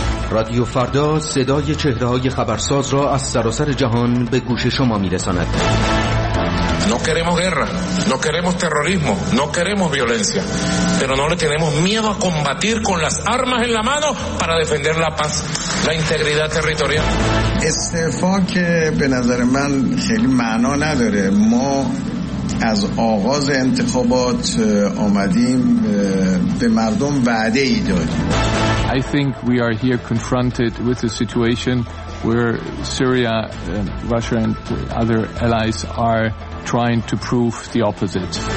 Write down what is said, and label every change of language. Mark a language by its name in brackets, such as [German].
[Persian] رادیو فردا صدای چهره‌های خبرساز را از سراسر جهان به گوش شما می‌رساند. [Spanish] No queremos guerra, no queremos terrorismo, no queremos violencia, pero no le tenemos miedo a combatir con las armas en la mano para defender la paz, la integridad territorial. [Persian] استعفا که به نظر من خیلی معنا نداره. ما از آغاز انتخابات آمدیم به مردم وعده ای دادیم. [English] I think we are here confronted with a situation where Syria, Russia and other allies are trying to prove the opposite.